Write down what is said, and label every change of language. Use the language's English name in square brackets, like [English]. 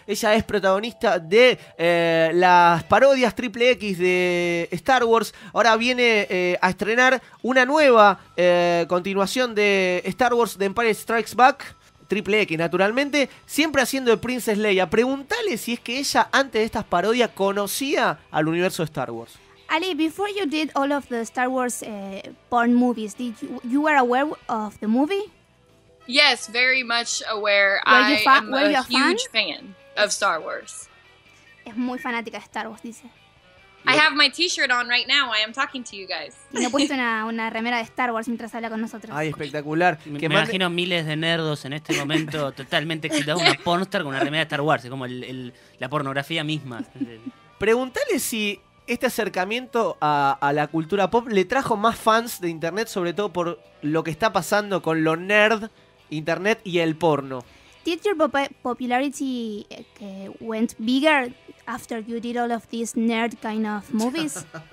[Spanish] Ella es protagonista de las parodias triple X de Star Wars. Ahora viene a estrenar una nueva continuación de Star Wars, The Empire Strikes Back. Triple X, naturalmente. Siempre haciendo de Princess Leia. Pregúntale si es que ella, antes de estas parodias, conocía al universo de Star Wars. [English] Ali, before you did all of the Star Wars porn movies, you were aware of the movie? Yes, very much aware. I am a huge fan of Star Wars. [Spanish] Es muy fanática de Star Wars, dice. [English] I have my t-shirt on right now. I am talking to you guys. [Spanish] Y he puesto una remera de Star Wars mientras habla con nosotros. Ay, espectacular. Imagino miles de nerdos en este momento totalmente excitados. Una pornstar con una remera de Star Wars. Es como la pornografía misma. Pregúntale si este acercamiento a la cultura pop le trajo más fans de internet, sobre todo por lo que está pasando con lo nerd, internet y el porno. [English] Did your popularity went bigger after you did all of these nerd kind of movies?